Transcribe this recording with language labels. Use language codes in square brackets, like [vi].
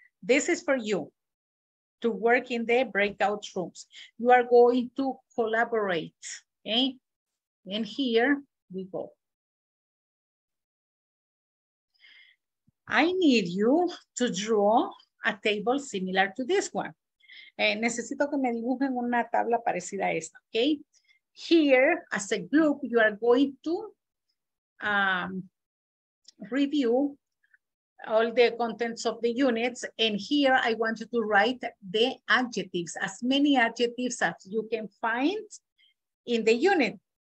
[en] This is for you to work in the breakout rooms. You are going to collaborate, okay? And here we go. I need you to draw a table similar to this one. [es] Necesito que me dibujen una tabla parecida a esta, okay? [en] Here, as a group, you are going to review all the contents of the units. And here, I want you to write the adjectives, as many adjectives as you can find in the unit.